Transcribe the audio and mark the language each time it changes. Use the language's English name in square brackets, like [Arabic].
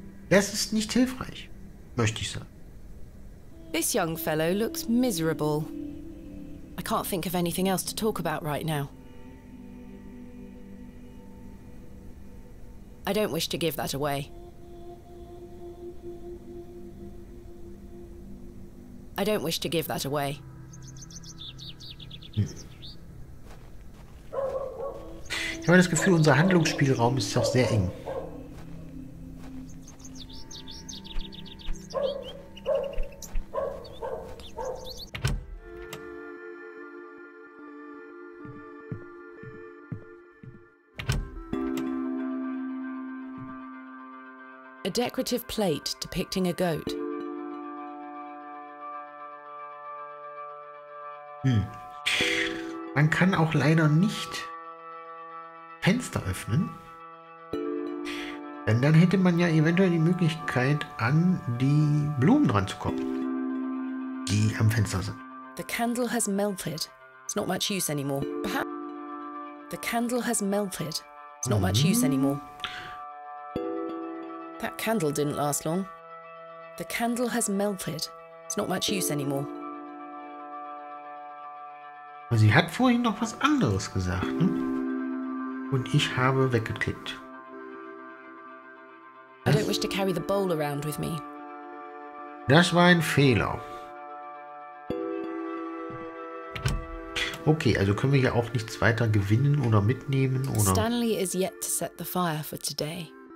[German] Das ist nicht hilfreich, möchte ich sagen. [English] This young fellow looks miserable. I can't think of anything else to talk about right now. I don't wish to give that away. I don't wish to give that away. [German] Ich habe das Gefühl, unser Handlungsspielraum ist doch sehr eng. [English] A decorative plate depicting a goat. [German] Man kann auch leider nicht Fenster öffnen. Denn dann hätte man ja eventuell die Möglichkeit, an die Blumen dran zu kommen, die am Fenster sind. [English] The candle has melted. It's not much use anymore. The candle has melted. It's not much use anymore. That candle didn't last long. The candle has melted. It's not much use anymore. [German] Sie hat vorhin noch was anderes gesagt, ne? Und ich habe weggeklickt. [English] I don't wish to carry the bowl around with me. [German] Das war ein Fehler. Okay, also können wir hier auch nichts weiter gewinnen oder mitnehmen oder. [English] Stanley is yet to set the fire for today.